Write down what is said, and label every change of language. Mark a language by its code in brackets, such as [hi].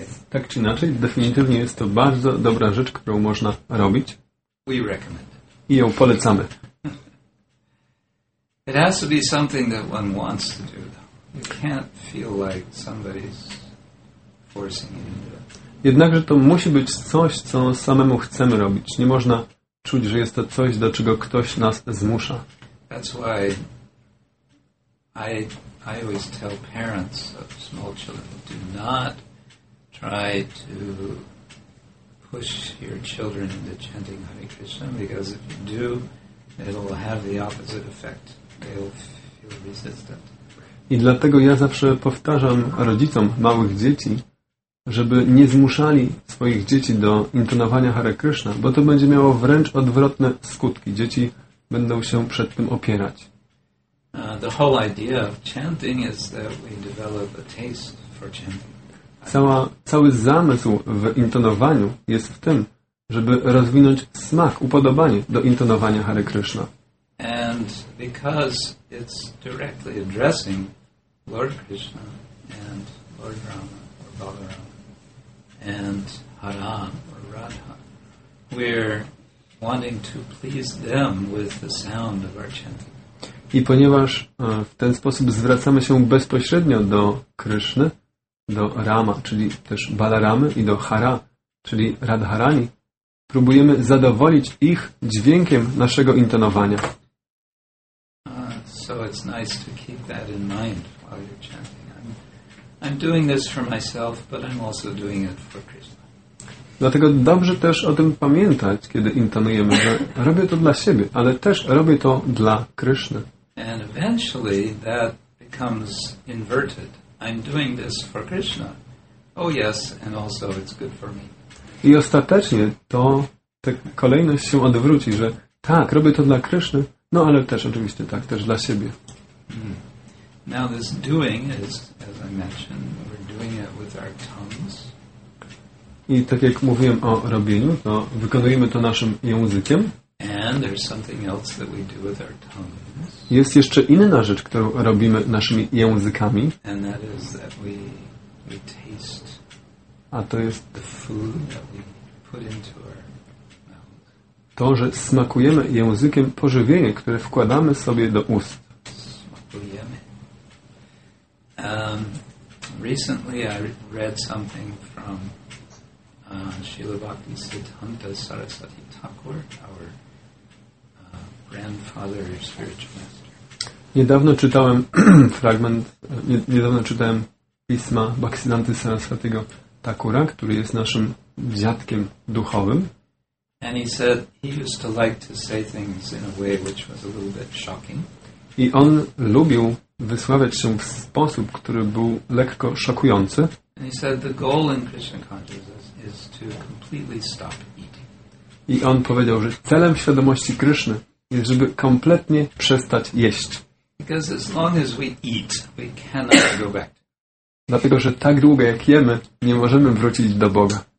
[pl] Tak czy inaczej, definitywnie jest to bardzo dobra rzecz, którą można robić. [en] We recommend. [pl] I ją polecamy. [en] It has to be something that one wants to do, though. You can't feel like somebody's forcing you to do it. [pl] Jednakże to musi być coś, co samemu chcemy robić. Nie można czuć, że jest to coś, do czego ktoś nas zmusza. [en] That's why I always tell parents of small children, do not try to push your children into chanting Hare Krishna, because if you do, it will have the opposite effect. They will feel resistant. [pl] I dlatego ja zawsze powtarzam rodzicom małych dzieci, żeby nie zmuszali swoich dzieci do intonowania Hare Krishna, bo to będzie miało wręcz odwrotne skutki. Dzieci będą się przed tym opierać. [en] The whole idea of chanting is that we develop a taste for chanting. [pl] Cały zamysł w intonowaniu jest w tym, żeby rozwinąć smak, upodobanie do intonowania Hare Krishna. [en] And because it's directly addressing Lord Krishna and Lord Rama or Balarama and Hara or Radha, we're wanting to please them with the sound of our chanting. [pl] I ponieważ w ten sposób zwracamy się bezpośrednio do Kryszny, do Rama, czyli też Balaramy i do Hara, czyli Radharani, próbujemy zadowolić ich dźwiękiem naszego intonowania. [en] So it's nice to keep that in mind while you're chanting. I'm doing this for myself, but I'm also doing it for Krishna. [pl] Dlatego dobrze też o tym pamiętać, kiedy intonujemy, że robię to dla siebie, ale też robię to dla Kryszny. [en] And eventually that becomes inverted. I'm doing this for Krishna. Oh yes, and also it's good for me. [pl] I ostatecznie to ta kolejność się odwróci, że tak, robię to dla Krishna, no ale też oczywiście tak, też dla siebie. [en] Now this doing is, as I mentioned, we're doing it with our tongues. [pl] I tak jak mówiłem o robieniu, to wykonujemy to naszym językiem. [en] And then there's something else that we do with our tongues. [pl] Jest jeszcze inna rzecz, którą robimy naszymi językami. [en] And that is that we taste. [pl] A to jest [en] the food that we put into our mouth. [pl] To, że smakujemy językiem pożywienie, które wkładamy sobie do ust. Smakujemy. [en] Recently I read something from Srila Bhakti Siddhanta Sarasvati Thakur, our grandfather spiritual master. [pl] Niedawno czytałem fragment, niedawno czytałem pisma Bhaktisiddhanty Sarasvatiego Thakura, który jest naszym dziadkiem duchowym. [en] And he said he used to like to say things in a way which was a little bit shocking. [pl] I on lubił wysławiać się w sposób, który był lekko szokujący. [en] And he said the goal in Krishna consciousness is to completely stop eating. [pl] I on powiedział, że celem świadomości Kryszny jest, żeby kompletnie przestać jeść. [en] Because as long as we eat, we cannot go back. [pl] Dlatego, że tak długo jak jemy, nie możemy wrócić do Boga.